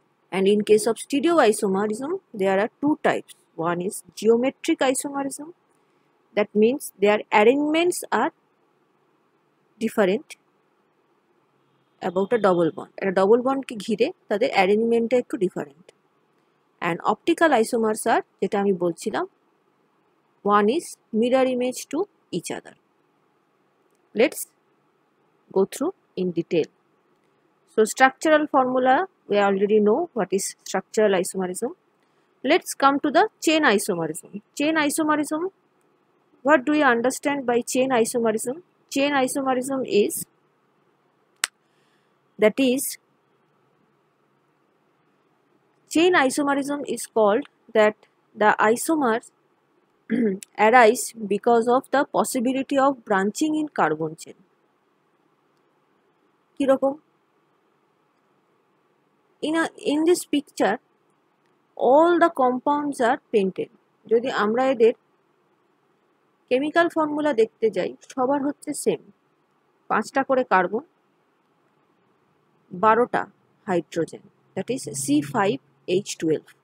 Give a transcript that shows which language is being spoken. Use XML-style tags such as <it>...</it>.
<en>and in case of stereo isomerism there are two types, one is geometric isomerism, that means their arrangements are different about a double bond,</en> <bn>একটা double বন্ডকে ঘিরে তাদের অ্যারেঞ্জমেন্টটা একটু different.</bn> <en>And optical isomers are যেটা আমি বলছিলাম, one is mirror image to each other. Let's go through in detail. So structural formula we already know what is structural isomerism. Let's come to the chain isomerism. Chain isomerism, what do we understand by chain isomerism? Chain isomerism is, that is, chain isomerism is called that the isomers arise because of the possibility of branching in carbon chain.</en> <bn>Kirokom?</bn> <en>In this picture all the compounds are pentane.</en> <bn>যদি আমরা এদের chemical formula দেখতে যাই, সবার হচ্ছে same, পাঁচটা করে carbon, বারোটা hydrogen,</bn> <en>That is C five H twelve.</en>